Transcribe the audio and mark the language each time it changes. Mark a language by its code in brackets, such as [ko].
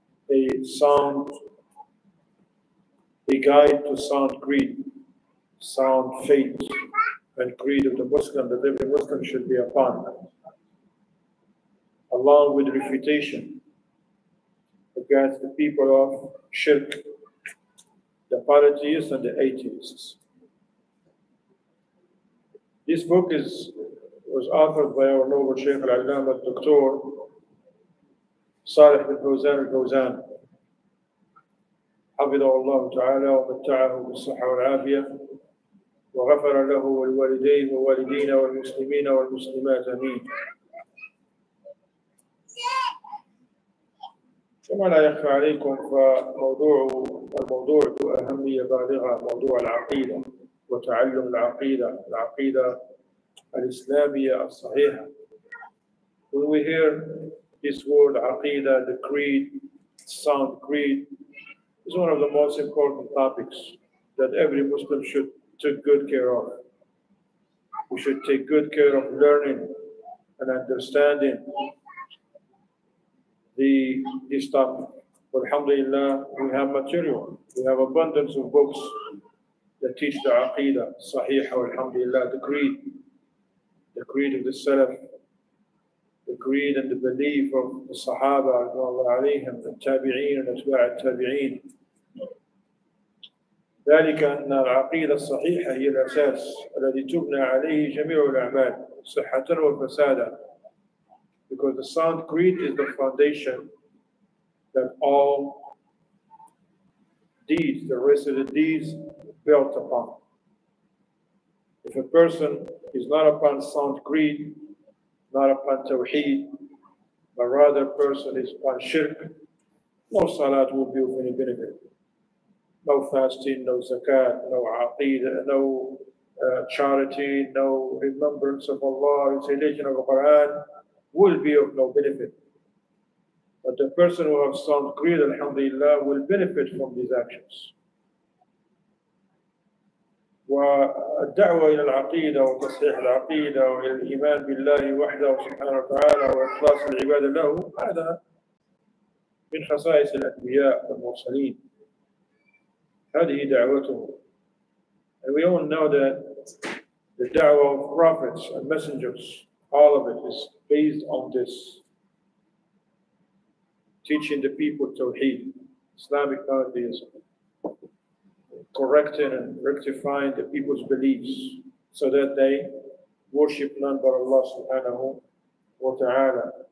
[en] A guide to sound greed, sound faith, and greed of the Muslim that every Muslim should be upon, along with refutation against the people of shirk, the polytheists and the atheists. This book was authored by our noble Sheikh Al-Allamah Dr. Saleh bin Fawzan Al-Fawzan. [ar] حفظه الله تعالى ومتعه بالصحة والعافية وغفر له والوالدين ووالدينا والمسلمين والمسلمات أمين. كما لا يخفى عليكم فالموضوع ذو أهمية بالغة، موضوع العقيدة وتعلم العقيدة الإسلامية الصحيحة. [en] When we hear this word عقيدة, the creed, sound creed, is one of the most important topics that every Muslim should take good care of. We should take good care of learning and understanding this topic. But alhamdulillah, we have material. We have abundance of books that teach the aqeedah, sahih, alhamdulillah, the creed of the Salaf, the creed and the belief of the Sahaba, the Tabi'een and Atba' al-Tabi'een. [ar] ذلك أن العقيدة الصحيحة هي الأساس الذي تبنى عليه جميع الأعمال صحة والفسادة. [en] Because the sound creed is the foundation that all deeds, the rest of the deeds, built upon. If a person is not upon sound creed, not upon tawheed, but rather a person is upon shirk, no salat will be of any benefit. No fasting, no zakat, no aqeedah, no charity, no remembrance of Allah, recitation of the Quran will be of no benefit. But the person who has sound creed, alhamdulillah, will benefit from these actions. [ar] والدعوه الى العقيده وتصحيح العقيده والى الايمان بالله وحده سبحانه وتعالى واخلاص العباده له هذا من خصائص الانبياء والمرسلين هذه دعوته. [en] And we all know that the da'wah of prophets and messengers, all of it is based on this, teaching the people tawheed, Islamic monotheism, correcting and rectifying the people's beliefs so that they worship none but Allah subhanahu wa ta'ala.